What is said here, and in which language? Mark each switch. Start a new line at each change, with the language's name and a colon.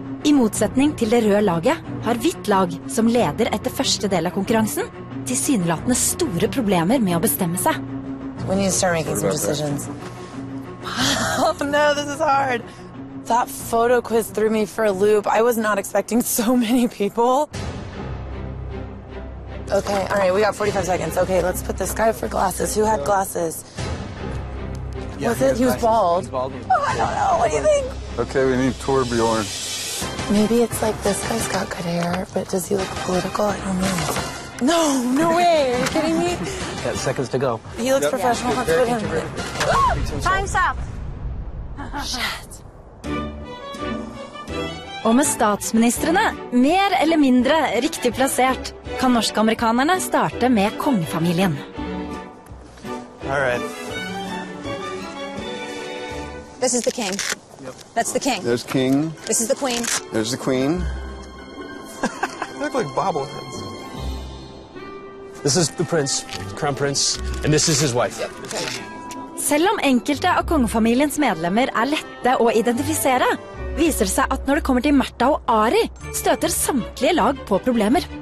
Norwegian: I motsetning til det røde laget har hvitt lag, som leder etter første del av konkurransen, tilsynelatende store problemer med å bestemme seg.
English: We need to start making some decisions. Oh no, this is hard. That photo quiz threw me for a loop. I was not expecting so many people. Okay, all right, we got 45 seconds. Okay, let's put this guy for glasses. Who had glasses? Yeah, was it? He was bald. Oh, I don't know. What do you think? Okay, we need Torbjorn. Maybe it's like this guy's got good hair, but does he look political? I don't know. No, no way. Are you kidding me? Got seconds to go. He looks professional. Yeah, let's put him. Time's up. Shit.
Norwegian: Og med statsministrene, mer eller mindre riktig plassert, kan norsk-amerikanerne starte med kongefamilien.
English: All right. This is the king. Yep. That's the king. There's king. This is the queen. There's the queen. They look like bobbleheads. This is the prince, crown prince, and this is his wife. Yep. Okay.
Norwegian: Selv om enkelte av kongefamiliens medlemmer lette å identifisere, viser det seg at når det kommer til Martha og Ari, støter samtlige lag på problemer.